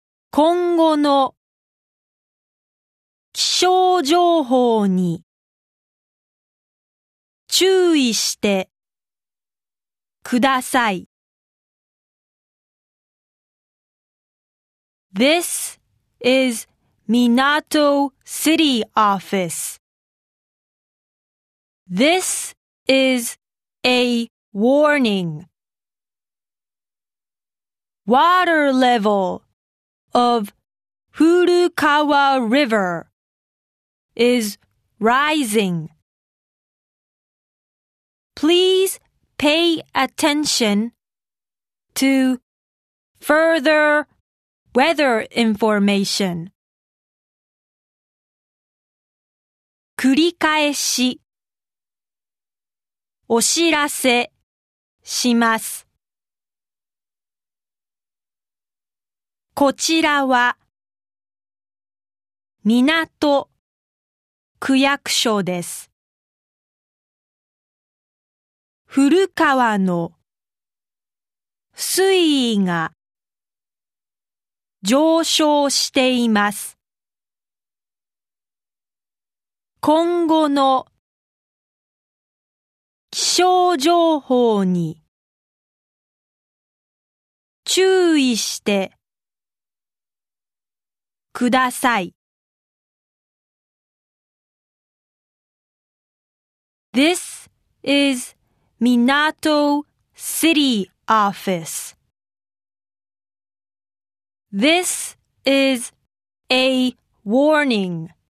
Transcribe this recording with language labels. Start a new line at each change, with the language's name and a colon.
Japanese: 今後の気象情報に注意してください。
English: This is Minato City Office. This is a warning. Water level of Furukawa River is rising. Please pay attention to further weather information.
Japanese: 繰り返しお知らせします。こちらは港区役所です。古川の水位が上昇しています。今後の気象情報に注意してください。
English: This is Minato City Office. This is a warning.